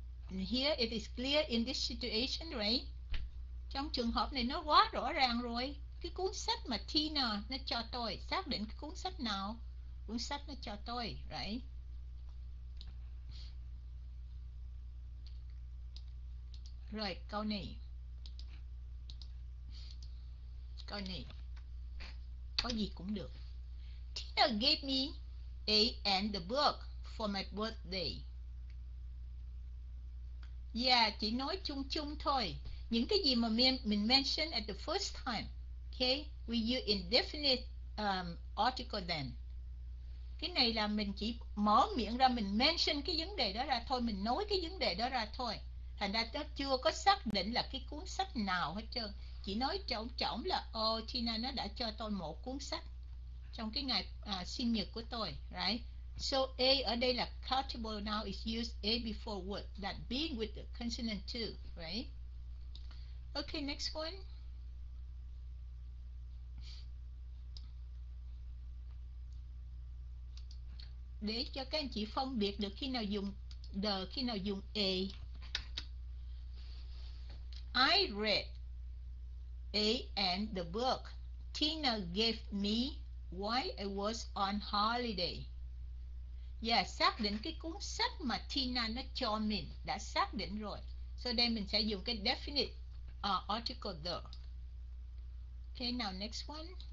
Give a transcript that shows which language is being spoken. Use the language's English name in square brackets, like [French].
[English] And here it is clear in this situation, right? [Vietnamese] Trong trường hợp này nó quá rõ ràng rồi. Cái cuốn sách mà Tina nó cho tôi, xác định cái cuốn sách nào? Cuốn sách nó cho tôi, right? Rồi, câu này. Câu này. Có gì cũng được. [English] Tina gave me A and the book for my birthday. Yeah, [Vietnamese] chỉ nói chung chung thôi. Những cái gì mà mình [English] mention at the first time, okay? We use indefinite article then. [Vietnamese] Cái này là mình chỉ mở miệng ra, mình mention cái vấn đề đó ra thôi, mình nói cái vấn đề đó ra thôi. Thành ra nó chưa có xác định là cái cuốn sách nào hết trơn. Chỉ nói trỏng trỏng là ô Tina nó đã cho tôi một cuốn sách trong cái ngày sinh nhật của tôi, right? [English] So A ở đây là countable noun is used A before word that begin with the consonant two, right? Okay, next one. [Vietnamese] Để cho các anh chị phân biệt được khi nào dùng the, khi nào dùng a. [English] I read a and the book Tina gave me while I was on holiday. [Vietnamese] Và xác định cái cuốn sách mà Tina nó cho mình, đã xác định rồi. Sau đây mình sẽ dùng cái definite article the. [English] Okay, now next one.